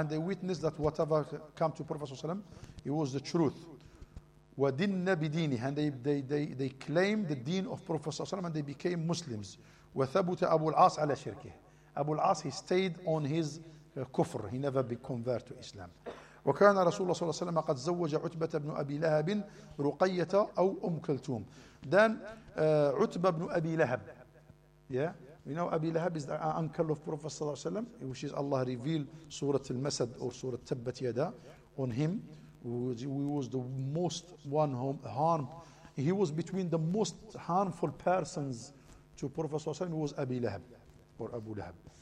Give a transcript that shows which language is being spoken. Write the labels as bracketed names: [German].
[English] And they witnessed that whatever came to Prophet ﷺ, it was the truth. [Arabic] وَدِنَّ بِدِينِهِ. [English] And they claimed the deen of Prophet ﷺ and they became Muslims. [Arabic] وَثَبُتَ أَبُو الْعَاصِ عَلَى شِرْكِهِ. [English] Abu al-As, he stayed on his كفر. He never be convert to Islam. [Arabic] وكان رسول الله صلى الله عليه وسلم قد زوج عتبة بن أبي لهب رقية أو أم كلثوم. [English] Then عتبة بن أبي لهب. Yeah, we know أبي لهب is the uncle of Prophet صلى الله عليه وسلم, which is Allah reveal سورة المسد or سورة تبت يدا on him. He was the most one whom harm. He was between the most harmful persons to Prophet صلى الله عليه وسلم. He was أبي لهب or أبو لهب.